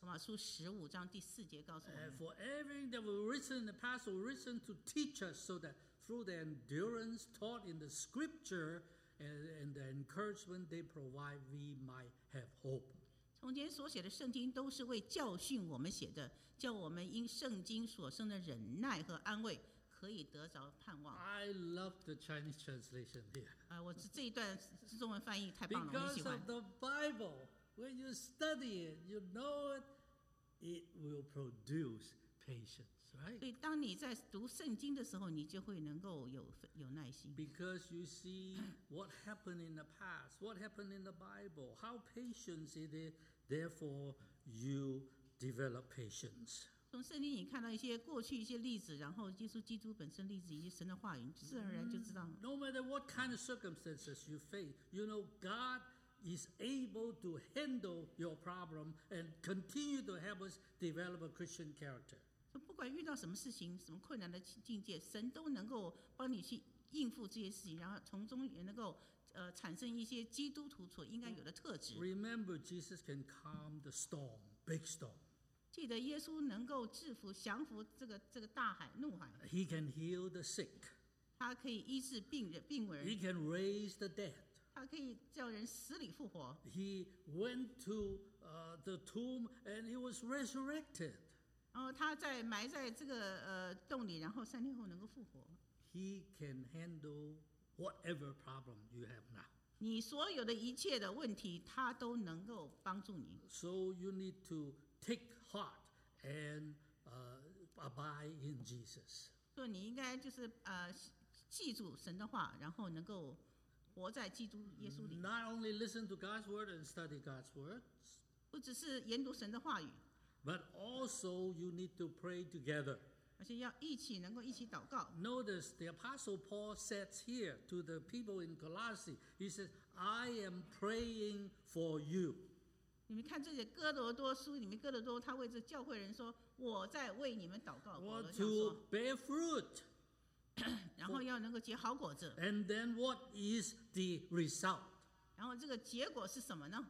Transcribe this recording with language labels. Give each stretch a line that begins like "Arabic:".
Chinese: 罗马书十五章第四节告诉我们。
English: For everything that was written in the past was written to teach us, so that through the endurance taught in the scripture and the encouragement they provide, we might have hope.
Chinese: 从前所写的圣经都是为教训我们写的，叫我们因圣经所生的忍耐和安慰可以得着盼望。
English: I love the Chinese translation here.
Chinese: 我这一段中文翻译太棒了，我很喜欢。
English: Because of the Bible, when you study it, you know it, it will produce patience, right?
Chinese: 所以当你在读圣经的时候，你就会能够有耐心。
English: Because you see what happened in the past, what happened in the Bible, how patient it is, therefore you develop patience.
Chinese: 从圣经你看到一些过去一些例子，然后耶稣基督本身例子以及神的话语，自然而然就知道。
English: No matter what kind of circumstances you face, you know God is able to handle your problem and continue to help us develop a Christian character.
Chinese: 不管遇到什么事情、什么困难的境界，神都能够帮你去应付这些事情，然后从中也能够产生一些基督徒所应该有的特质。
English: Remember, Jesus can calm the storm, big storm.
Chinese: 记得耶稣能够制服降服这个大海怒海。
English: He can heal the sick.
Chinese: 他可以医治病人。
English: He can raise the dead.
Chinese: 他可以叫人死里复活。
English: He went to the tomb and he was resurrected.
Chinese: 然后他在埋在这个洞里，然后三天后能够复活。
English: He can handle whatever problem you have now.
Chinese: 你所有的一切的问题，他都能够帮助你。
English: So you need to take heart and abide in Jesus.
Chinese: 所以你应该就是记住神的话，然后能够活在基督耶稣里。
English: Not only listen to God's word and study God's words.
Chinese: 不只是研读神的话语。
English: But also you need to pray together.
Chinese: 而且要一起能够一起祷告。
English: Notice the Apostle Paul says here to the people in Colossae, he says, "I am praying for you."
Chinese: 你们看这些哥罗多书里面，哥罗多他为这教会人说，我在为你们祷告。
English: What to bear fruit?
Chinese: 然后要能够结好果子。
English: And then what is the result?
Chinese: 然后这个结果是什么呢